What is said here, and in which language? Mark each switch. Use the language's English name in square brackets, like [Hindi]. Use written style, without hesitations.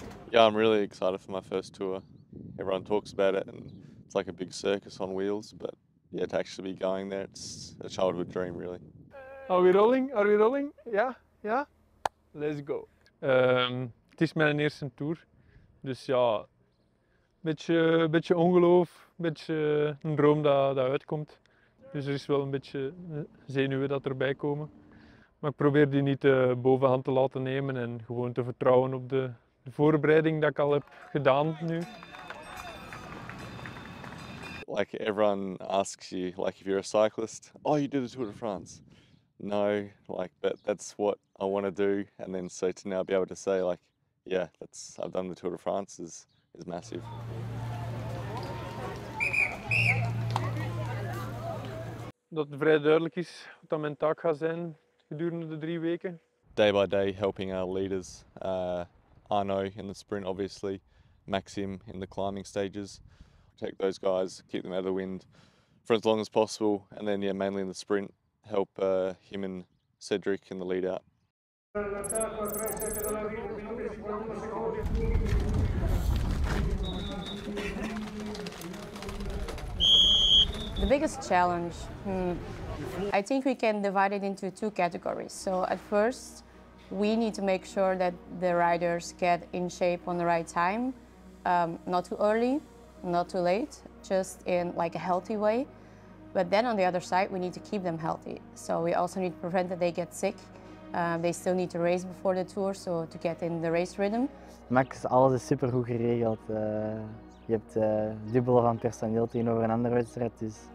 [English] Yeah, I'm really excited for my first Tour. Everyone talks about it and it's like a big circus on wheels, but yeah, to actually be going there, it's a childhood dream, really. Are we rolling? Yeah? Yeah? Let's go. [Dutch] Het is mijn eerste Tour, dus ja, beetje ongeloof, beetje een droom dat uitkomt. Dus er is wel een beetje zenuwen dat erbij komen. Maar ik probeer die niet de bovenhand te laten nemen en gewoon te vertrouwen op de voorbereiding dat ik al heb gedaan nu. [English] Like everyone asks you, like if you're a cyclist, oh, you do the Tour de France. No, like, but that's what I want to do. And then so to now be able to say, like, yeah, that's, I've done the Tour de France is massive. [Dutch] Dat het vrij duidelijk is wat dan mijn taak gaat zijn. Gedurende de 3 weken. [English] Day by day helping our leaders, Arno in the sprint obviously, Maxim in the climbing stages. Take those guys, keep them out of the wind for as long as possible, and then yeah, mainly in the sprint, help him and Cedric in the lead out. The biggest challenge, I think we can divide it into 2 categories. So at first, we need to make sure that the riders get in shape on the right time, not too early, not too late, just in like a healthy way. But then on the other side, we need to keep them healthy. So we also need to prevent that they get sick. They still need to race before the Tour, so to get in the race rhythm. [Dutch] Max, alles is super goed geregeld. Je hebt dubbele van personeel tegenover een andere wedstrijd, dus.